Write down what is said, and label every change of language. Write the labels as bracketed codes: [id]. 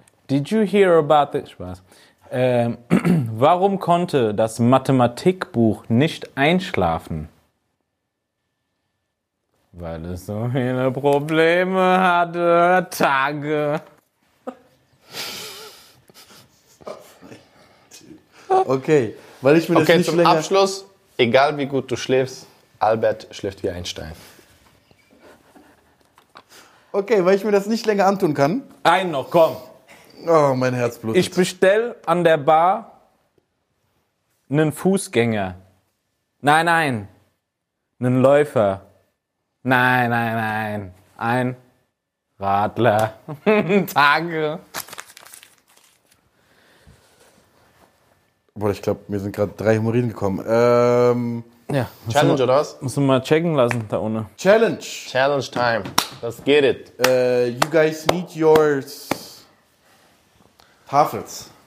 [en] Did you hear about the Spaß? [de] Warum konnte das Mathematikbuch nicht einschlafen? Weil es so viele Probleme hatte, Tage. Okay, weil ich mir das nicht zum länger. Zum Abschluss, egal wie gut du schläfst. Albert schläft wie Einstein. Okay, weil ich mir das nicht länger antun kann. Einen noch, komm. Oh, mein Herz blutet. Ich bestell an der Bar einen Fußgänger. Nein. Einen Läufer. Nein. Ein Radler. Tage. Boah, ich glaube, mir sind gerade drei Hämorrhoiden gekommen. Ja. Challenge, oder was? Müssen wir mal checken lassen, da ohne. [en] Challenge! Challenge time. Let's get it. You guys need your Tafels.